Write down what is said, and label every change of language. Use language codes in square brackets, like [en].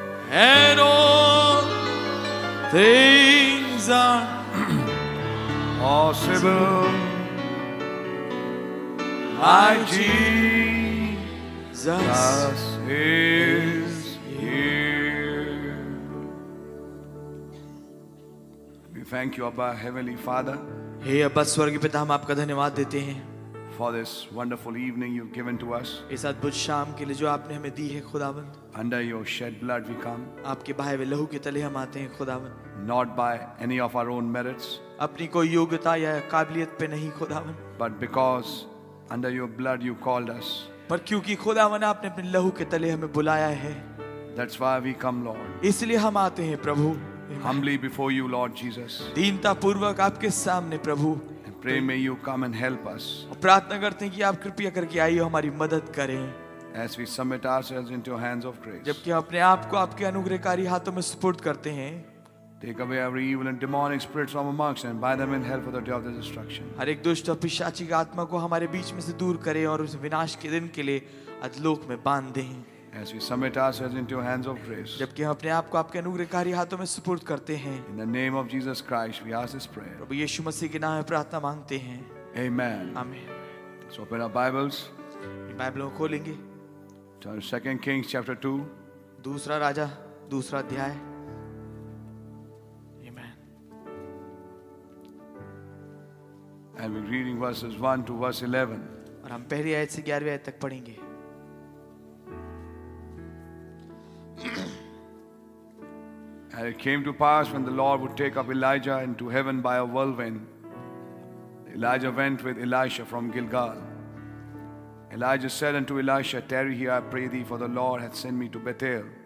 [en] And all things are possible. My Jesus is here. We thank you, Abba, Heavenly Father. [hi] हे अब्बा स्वर्गीय पिता, हम आपका धन्यवाद देते हैं. [en] For this wonderful evening you've given to us. [hi] इस अद्भुत शाम के लिए जो आपने हमें दी है खुदावंद. [en] Under your shed blood we come. [hi] आपके बहाए हुए लहू के तले हम आते हैं खुदावंद. [en] Not by any of our own merits. [hi] अपनी कोई योग्यता या काबिलियत पे नहीं खुदावंद. [en] But because under your blood you called us. [hi] पर क्योंकि खुदावंद आपने अपने लहू के तले हमें बुलाया है. [en] That's why we come, Lord. [hi] इसलिए हम आते हैं प्रभु. [en] Humbly before you, Lord Jesus. [hi] दीनता पूर्वक आपके सामने प्रभु. [en] Pray may you come and help us. [hi] प्रार्थना करते हैं कि आप कृपया करके आइए हमारी मदद करें. [en] As we submit ourselves into your hands of grace. [hi] जबकि अपने आप को आपके अनुग्रहकारी हाथों में सुपुर्द करते हैं. [en] Take away every evil and demonic spirit from amongst and bind them in hell for the day of the destruction. [hi] हर एक दुष्ट और पिशाची की आत्मा को हमारे बीच में से दूर करें और उस विनाश के दिन के लिए अधलोक में बांध दें. [en] As we submit ourselves into your hands of grace. [hi] जबकि हम अपने आप को आपके अनुग्रहकारी हाथों में सुपुर्द करते हैं. [en] In the name of Jesus Christ, we ask this prayer. [hi] प्रभु यीशु मसीह के नाम में प्रार्थना मांगते हैं. [en] Amen. Amen. So open our Bibles. [hi] बाइबलों को खोलेंगे. [en] Turn to 2 Kings chapter 2. [hi] दूसरा राजा, दूसरा अध्याय. [en] Amen. And we're reading verses 1 to verse 11. [hi] और हम पहली आयत से 11वीं आयत तक पढ़ेंगे. [en] And it came to pass when the Lord would take up Elijah into heaven by a whirlwind, Elijah went with Elisha from Gilgal. Elijah said unto Elisha, Tarry here, I pray thee, for the Lord hath sent me to Bethel.